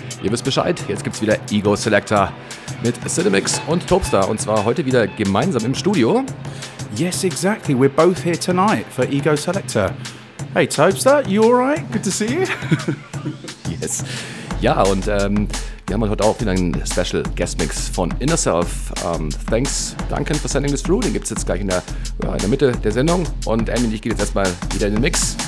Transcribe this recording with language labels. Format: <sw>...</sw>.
<de>Ihr wisst Bescheid, jetzt gibt's wieder Ego Selector mit Cinemix und Tobestar. Und zwar heute wieder gemeinsam im Studio.</de> <en>Yes, exactly. We're both here tonight for Ego Selector. Hey, Tobestar, you alright? Good to see you. Yes.</en> <de>Ja, und wir haben heute auch wieder einen Special Guest Mix von Inner Self.</de> <en>Thanks, Duncan, for sending this through.</en> <de>Den gibt's jetzt gleich in der Mitte der Sendung. Und Andy und ich gehen jetzt erstmal wieder in den Mix.</de>